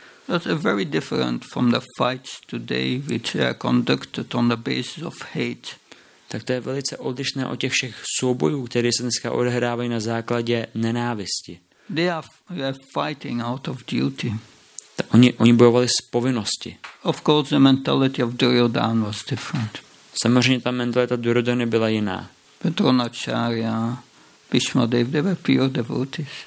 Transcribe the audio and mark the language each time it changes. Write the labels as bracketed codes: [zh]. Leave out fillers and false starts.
[en] That's very different from the fights today, which are conducted on the basis of hate. [cs] Tak to je velice odlišné od těch všech soubojů, které se dneska odehrávají na základě nenávisti. [en] They are fighting out of duty. [cs] Oni bojovali z povinnosti. [en] Of course, the mentality of Duryodhan was different. [cs] Samozřejmě ta mentalita Duryodhany byla jiná. [en] Dronacharya, Bhishma Dev, they were pure devotees.